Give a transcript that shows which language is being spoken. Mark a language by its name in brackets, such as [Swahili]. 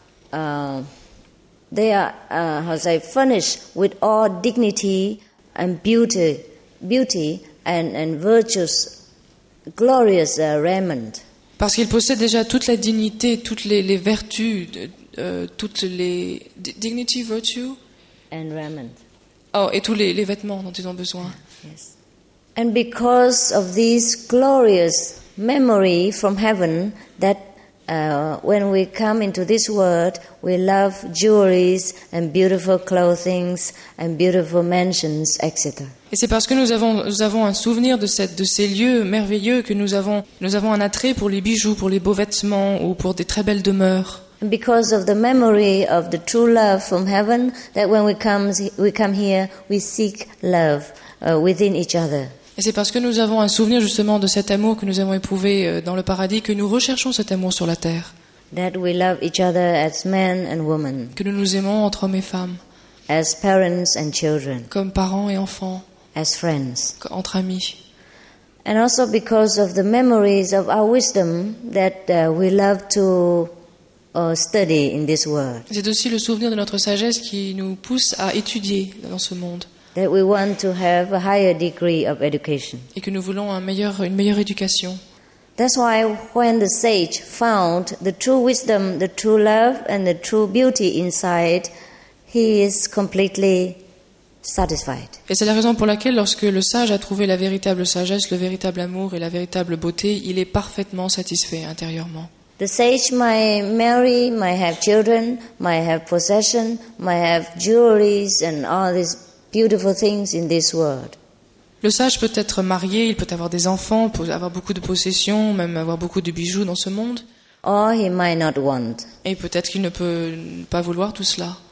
[English] They are how say furnished with all dignity and beauty and virtuous glorious raiment. [French] Parce qu'ils possèdent déjà toute la dignité, toutes les vertus, toutes les [English] dignity, virtue, and raiment. [French] Oh, et tous les vêtements dont ils ont besoin. [English] Yes. And because of this glorious memory from heaven, that when we come into this world, we love jewelries and beautiful clothing and beautiful mansions, etc. [French] Et c'est parce que nous avons un souvenir de ces lieux merveilleux que nous avons un attrait pour les bijoux, pour les beaux vêtements ou pour des très belles demeures. [English] And because of the memory of the true love from heaven, that when we come here, we seek love within each other. [French] Et c'est parce que nous avons un souvenir justement de cet amour que nous avons éprouvé dans le paradis que nous recherchons cet amour sur la terre. [English] That we love each other as men and women. [French] Que nous nous aimons entre hommes et femmes. [English] As parents and children. [French] Comme parents et enfants. [English] As friends. [French] Entre amis. [English] And also because of the memories of our wisdom that we love to study in this world. [French] C'est aussi le souvenir de notre sagesse qui nous pousse à étudier dans ce monde. [English] That we want to have a higher degree of education. [French] Et que nous voulons une meilleure éducation. [English] That's why when the sage found the true wisdom, the true love, and the true beauty inside, he is completely satisfied. [French] Et c'est la raison pour laquelle, lorsque le sage a trouvé la véritable sagesse, le véritable amour et la véritable beauté, il est parfaitement satisfait intérieurement. [English] The sage might marry, might have children, might have possession, might have jewelries and all this. Beautiful things in this world. [French] Le sage peut être marié, il peut avoir des enfants, peut avoir beaucoup de possessions, même avoir beaucoup de bijoux dans ce monde. [English] Or he might not want. [French] Et peut-être qu'il ne peut pas vouloir tout cela.